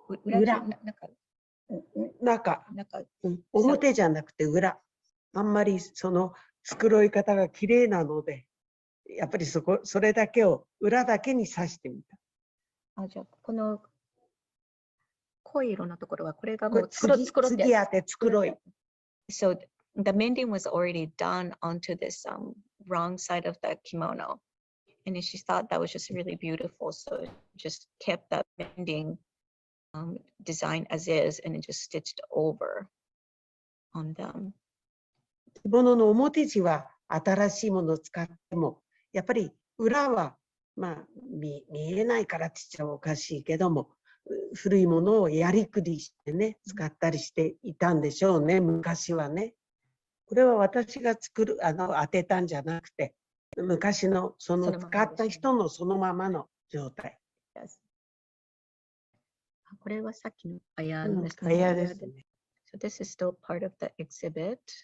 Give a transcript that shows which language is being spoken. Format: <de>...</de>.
<ja>裏中、表じゃなくて裏。あんまりその繕い方が綺麗なので、やっぱりそれだけを裏だけに刺してみた。あ、じゃあこの濃い色のところはこれがもう次当て繕い。</ja> <en>So the mending was already done onto this wrong side of the kimono. And she thought that was just really beautiful, so just kept that mending design as is, and it just stitched over on them.</en> <ja>着物の表地は新しいものを使っても、やっぱり裏は、まあ、見えないからって言っちゃおかしいけども、古いものをやりくりしてね、使ったりしていたんでしょうね、昔はね。これは私が作る、当てたんじゃなくて、昔のその使った人のそのままの状態。これはさっきのアヤですね。アヤですね。</ja> <en>So this is still part of the exhibit.</en>